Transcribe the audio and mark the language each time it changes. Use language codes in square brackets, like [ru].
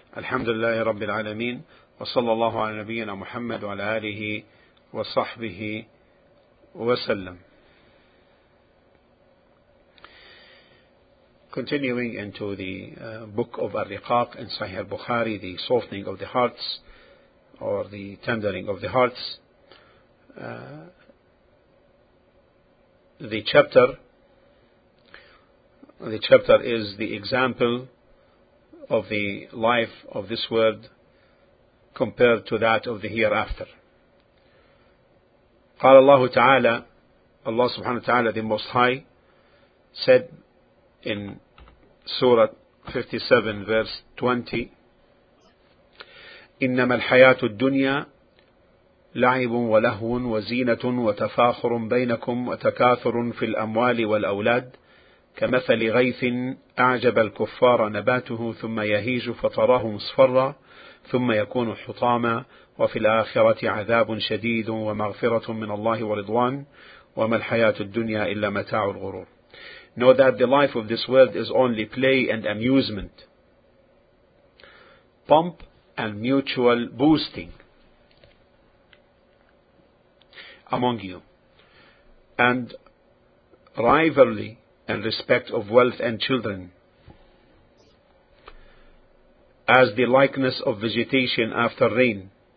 [ar] الحمد لله رب العالمين، وصلى الله على نبينا محمد وعلى آله وصحبه وسلم. [en] Continuing into the book of Ar-Riqaq in Sahih al-Bukhari, the softening of the hearts or the tendering of the hearts, the chapter is the example of the life of this world compared to that of the hereafter. [ar] قال الله تعالى, [en] Allah subhanahu wa ta'ala, the Most High, said in Surah 57, verse 20, [ar] إنما الحياة الدنيا لعب ولهو وزينة وتفاخر بينكم وتكاثر في الأموال والأولاد كمثل غيث أعجب الكفار نباته ثم يهيج فتراه مصفرا ثم يكون حطاما وفي الآخرة عذاب شديد ومغفرة من الله ورضوان وما الحياة الدنيا إلا متاع الغرور. [en] Know that the life of this world is only play and amusement, pomp and mutual boosting among you, and rivalry and respect of wealth and children, as the likeness of vegetation after rain.